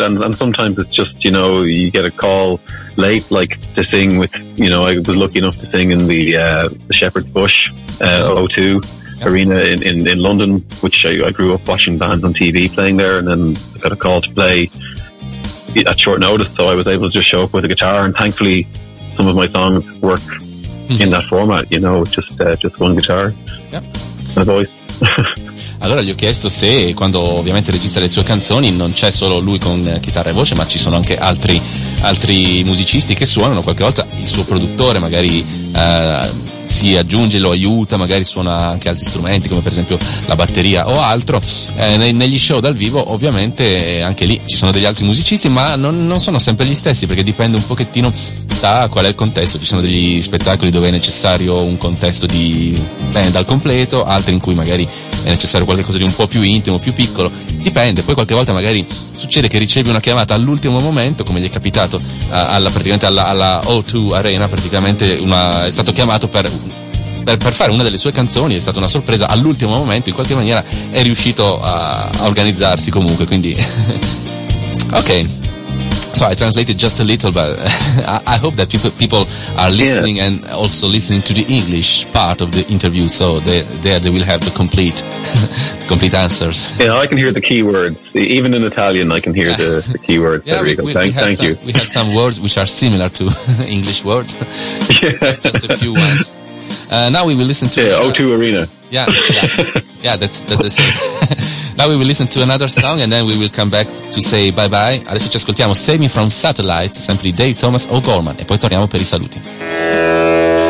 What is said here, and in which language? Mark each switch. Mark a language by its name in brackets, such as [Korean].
[English] And sometimes it's just, you know, you get a call late, like to sing with, you know, I was lucky enough to sing in the Shepherd's Bush O2 arena in London, which I grew up watching bands on TV playing there. And then I got a call to play at short notice. So I was able to just show up with a guitar. And thankfully, some of my songs work in that format, you know, just one guitar and a voice. [Italian] Allora gli ho chiesto se quando ovviamente registra le sue canzoni non c'è solo lui con chitarra e voce, ma ci sono anche altri musicisti che suonano. Qualche volta il suo produttore magari si aggiunge, lo aiuta, magari suona anche altri strumenti come per esempio la batteria o altro. Negli show dal vivo ovviamente anche lì ci sono degli altri musicisti, ma non sono sempre gli stessi, perché dipende un pochettino da qual è il contesto. Ci sono degli spettacoli dove è necessario un contesto di band al completo, altri in cui magari è necessario qualcosa di un po' più intimo, più piccolo, dipende. Poi qualche volta magari succede che ricevi una chiamata all'ultimo momento, come gli è capitato alla O2 Arena. Praticamente è stato chiamato per fare una delle sue canzoni, è stata una sorpresa all'ultimo momento, in qualche maniera è riuscito a organizzarsi comunque, quindi ok. [English] So I translated just a little, but I hope that people are listening and also listening to the English part of the interview, so they will have the complete complete answers. Yeah, I can hear the keywords. Even in Italian, I can hear the keywords. Yeah, thank you. We have some words which are similar to English words. Yeah. Just a few ones. Now we will listen to... Yeah, O2 Arena. Yeah, that's the same. Now we will listen to another song and then we will come back to say bye bye. [Italian] Adesso ci ascoltiamo Save Me From Satellites, sempre di Dave Thomas O'Gorman, e poi torniamo per i saluti.